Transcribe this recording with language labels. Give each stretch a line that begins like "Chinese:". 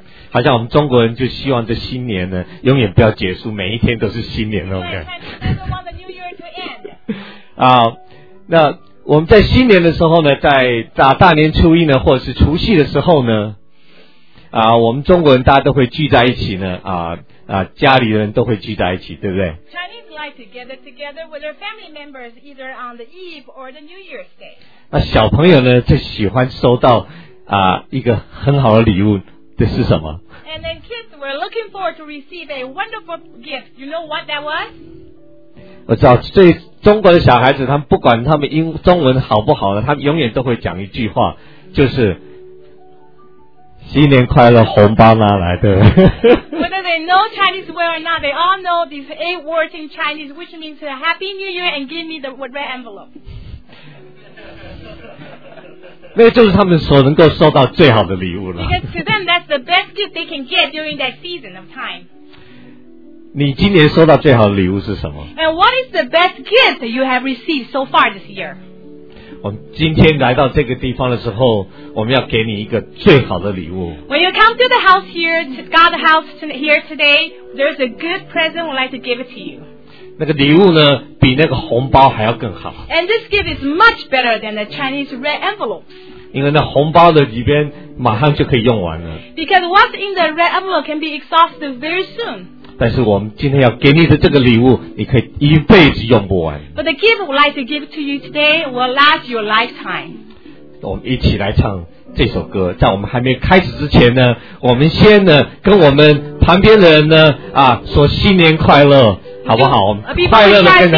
Chinese: 好像我们中国人就希望这新年呢永远不要结束，每一天都是新年那种感觉。那我们在新年的时候呢，在大年初一呢，或者是除夕的时候呢，我们中国人大家都会聚在一起呢，家里人都会聚在一起，对不对？
English: Chinese like to gather together with their family members either on the eve or the New Year's Day.
Chinese: 那小朋友呢就喜欢收到一个很好的礼物，这是什么？
English: And then kids were looking forward to receive a wonderful gift. You know what that was?
Chinese: 我知道，所以中国的小孩子他们不管他们中文好不好呢，他们永远都会讲一句话，就是新年快乐，红包拿来，对不对？
English: Whether they know Chinese well or not, they all know these 8 words in Chinese, which means Happy New Year and give me the red envelope.
Chinese: 那就是他们所能够收到最好的礼物了。
English: Because to them, that's the best gift they can get during that season of time.
Chinese: 你今年收到最好的礼物是什么？
English: And what is the best gift you have received so far this year?
Chinese: 我们今天来到这个地方的时候，我们要给你一个最好的礼物。
English: When you come to the house here, God's house here today, there's a good present we'd like to give it to you.
Chinese: 那个礼物呢，比那个红包还要更好。
English: And this gift is much better than the Chinese red envelopes.
Chinese: 因为那红包的里边马上就可以用完了。
English: Because what's in the red envelope can be exhausted very soon.
Chinese: 但是我们今天要给你的这个礼物，你可以一辈子用不完。
English: But the gift we'd like to give to you today will last your lifetime.
Chinese: 我们一起来唱这首歌。在我们还没开始之前呢，我们先呢跟我们旁边的人呢说新年快乐，好不好？我们快乐的跟他。